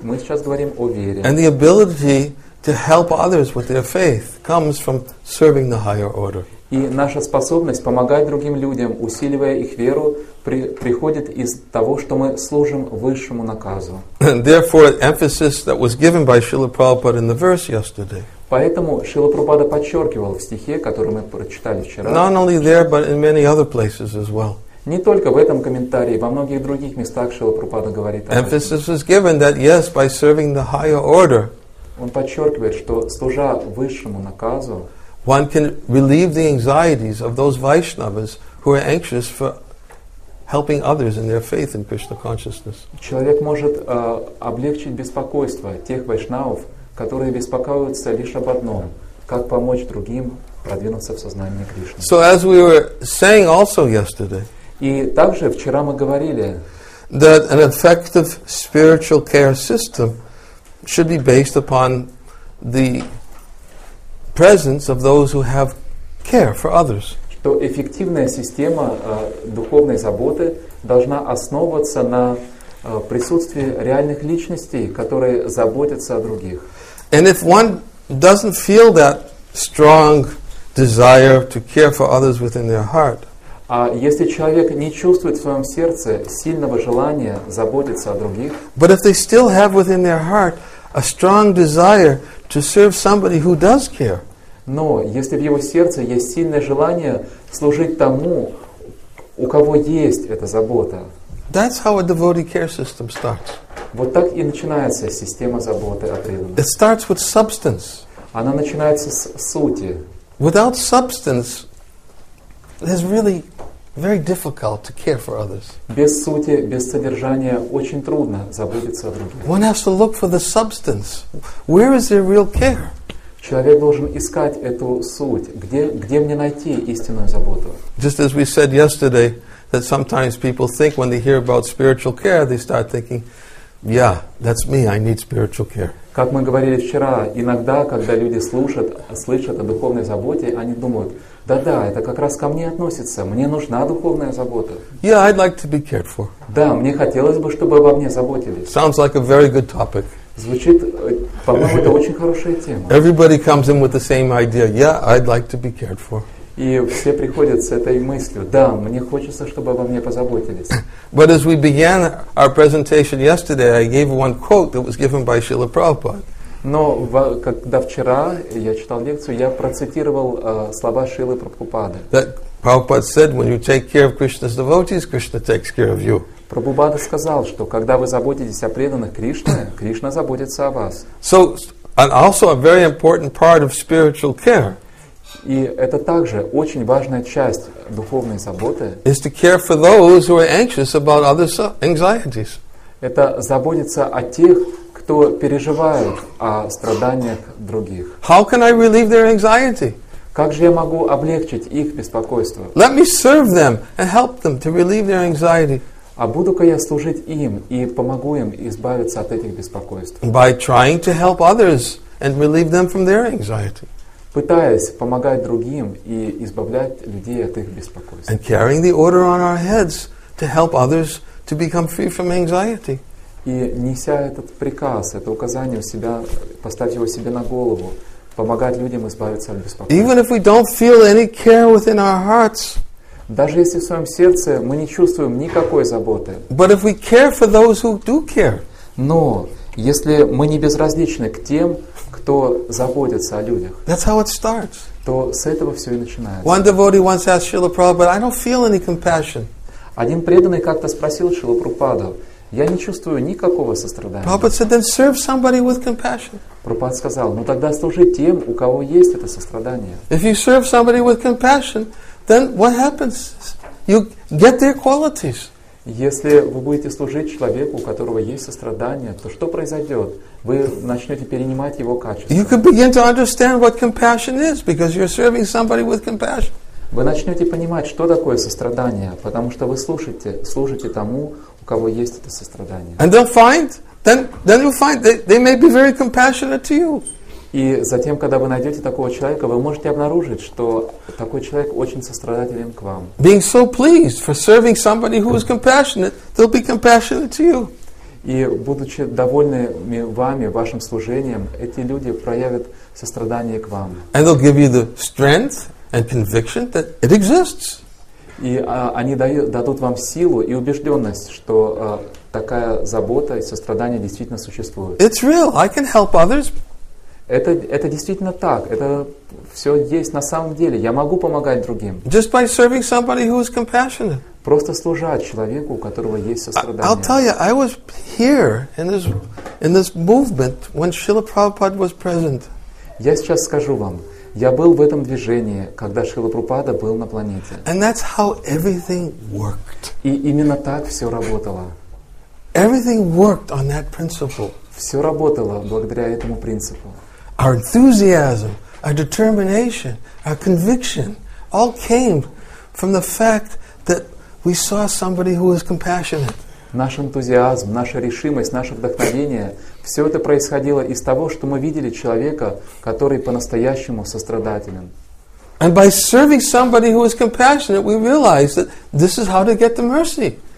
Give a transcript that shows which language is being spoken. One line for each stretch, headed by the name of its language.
Russian: Мы сейчас говорим о вере.
English: And the ability to help others with their faith comes from serving the higher order.
Russian: И наша способность помогать другим людям, усиливая их веру, приходит из того, что мы служим высшему наказу.
English: Therefore, emphasis that was given by Srila Prabhupada in the verse yesterday.
Russian: Поэтому Шрила Прабхупада подчеркивал в стихе, который мы прочитали вчера.
English: Not only there, but in many other places as well.
Russian: Не только в этом комментарии, во многих других местах Шрила Прабхупада говорит.
English: Emphasis was given that yes, by serving the higher order.
Russian: Он подчеркивает, что служа высшему наказу,
English: one can relieve the anxieties of those Vaishnavas who are anxious for helping others in their faith in Krishna consciousness.
Russian: Человек может облегчить беспокойство тех вайшнавов, которые беспокоятся лишь об одном: как помочь другим продвинуться в сознании Кришны.
English: So as we were saying also yesterday,
Russian: и также вчера мы говорили,
English: that an effective spiritual care system should be based upon the presence of those who have care for others.
Russian: Что эффективная система духовной заботы должна основываться на присутствии реальных личностей, которые заботятся о других.
English: And if one doesn't feel that strong desire to care for others within their heart,
Russian: а если человек не чувствует в своем сердце сильного желания заботиться о других,
English: but if they still have within their heart a strong desire to serve somebody who does care,
Russian: но если в его сердце есть сильное желание служить тому, у кого есть эта забота,
English: that's how a devotee care system starts.
Russian: Вот так и начинается система заботы о преданных.
English: It starts with substance.
Russian: Она начинается с сути.
English: Without substance, it's really very difficult to care for others.
Russian: Без сути, без содержания очень трудно заботиться о других.
English: One has to look for the substance. Where is there real care?
Russian: Человек должен искать эту суть. Где мне найти истинную заботу?
English: Just as we said yesterday, that sometimes people think when they hear about spiritual care, they start thinking, yeah, that's me, I need spiritual care.
Russian: Как мы говорили вчера, иногда, когда люди слышат о духовной заботе, они думают, да-да, это как раз ко мне относится, мне нужна духовная забота.
English: Yeah, I'd like to be cared for.
Russian: Да, мне хотелось бы, чтобы обо мне заботились.
English: Sounds like a very good topic.
Russian: Звучит, по-моему, это очень хорошая тема.
English: Everybody comes in with the same idea. Yeah, I'd like to be cared for.
Russian: И все приходят с этой мыслью: да, мне хочется, чтобы обо мне позаботились.
English: But as we began our presentation yesterday, I gave one quote that was given by Srila Prabhupada.
Russian: Но когда вчера я читал лекцию, я процитировал слова Шрилы Прабхупады.
English: That Prabhupada said, when you take care of Krishna's devotees, Krishna takes care of you.
Russian: Прабхупада сказал, что когда вы заботитесь о преданных Кришне, Кришна заботится о вас.
English: So, and also a very important part of spiritual care.
Russian: И это также очень важная часть духовной заботы.
English: Is to care for those who are anxious about other anxieties.
Russian: Это заботиться о тех, кто переживает о страданиях других.
English: How can I relieve their anxiety?
Russian: Как же я могу облегчить их беспокойство?
English: Let me serve them and help them to relieve their anxiety.
Russian: А буду-ка я служить им и помогу им избавиться от этих беспокойств.
English: By trying to help others and relieve them from their anxiety.
Russian: Пытаясь помогать другим и избавлять людей от их беспокойств.
English: And carrying the order on our heads to help others to become free from anxiety.
Russian: И неся этот приказ, это указание у себя, поставь его себе на голову, помогать людям избавиться от беспокойств.
English: Even if we don't feel any care within our hearts,
Russian: даже если в своем сердце мы не чувствуем никакой заботы,
English: but if we care for those who do care,
Russian: но если мы не безразличны к тем, кто заботится о людях,
English: that's how it starts.
Russian: То с этого все и начинается.
English: One devotee once asked Srila Prabhupada, I don't feel any compassion.
Russian: Один преданный как-то спросил Шрилу Прабхупаду, я не чувствую никакого сострадания.
English: Prabhupada said, then serve somebody with compassion.
Russian: Прабхупада сказал, ну тогда служи тем, у кого есть это сострадание.
English: If you serve somebody with compassion, then what happens? You get their qualities.
Russian: Если вы будете служить человеку, у которого есть сострадание, то что произойдет? Вы начнете перенимать его качества.
English: You can begin to understand what compassion is because you're serving somebody with compassion.
Russian: Вы начнете понимать, что такое сострадание, потому что вы служите тому, у кого есть это сострадание.
English: And they'll find then you find they may be very compassionate to you.
Russian: И затем, когда вы найдете такого человека, вы можете обнаружить, что такой человек очень сострадателен к вам.
English: Being so pleased for serving somebody who is compassionate, they'll be compassionate to you.
Russian: И будучи довольными вами, вашим служением, эти люди проявят сострадание к вам.
English: And they'll give you the strength and conviction that it exists.
Russian: И они дадут вам силу и убежденность, что такая забота и сострадание действительно существует.
English: It's real. I can help others.
Russian: Это действительно так. Это все есть на самом деле. Я могу помогать другим.
English: Just by serving somebody who is compassionate.
Russian: Просто служа человеку, у которого есть сострадание.
English: I'll tell you, I was here in this movement when Srila Prabhupada was present.
Russian: Я сейчас скажу вам. Я был в этом движении, когда Шрила Прабхупада был на планете.
English: And that's how everything worked.
Russian: И именно так все работало.
English: Everything worked on that principle.
Russian: Все работало благодаря этому принципу.
English: Our enthusiasm, our determination, our conviction all came from the fact that we saw somebody who was compassionate.
Russian: Наш энтузиазм, наша решимость, наше вдохновение — все это происходило из того, что мы видели человека, который по-настоящему сострадателен.
English: And by serving somebody who is compassionate, we realize that this is how to get the mercy.